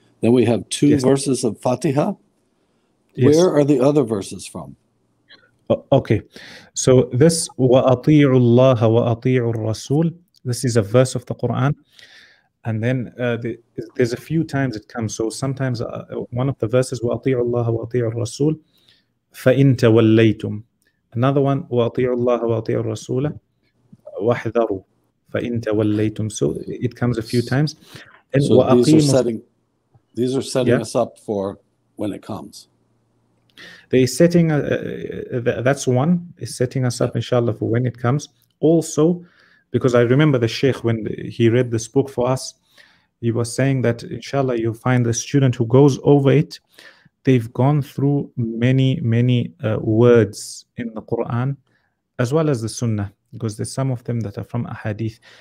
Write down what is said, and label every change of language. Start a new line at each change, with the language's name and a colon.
English: Then we have two verses of Fatiha. Yes. Where are the other verses from? Okay, so this
Arabic: وَأَطِيعُ اللَّهَ وَأَطِيعُ الرَّسُولِ,
English: this is a verse of the Quran, and then there's a few times it comes. So sometimes one of the verses
Arabic: وَأَطِيعُ اللَّهَ وَأَطِيعُ الرَّسُولِ فَإِن تَوَلَّيْتُمْ,
English: another one
Arabic: وَأَطِيعُ اللَّهَ وَأَطِيعُ الرَّسُولَ وَاحْذَرُوا فَإِن تَوَلَّيْتُمْ.
English: So it comes a few times. And so these are setting us up for when it comes. They setting that's one is setting us up, inshallah, for when it comes. Also, because I remember the Sheikh when he read this book for us, he was saying that inshallah you'll find the student who goes over it, they've gone through many words in the Quran as well as the Sunnah, because there's some of them that are from a hadith.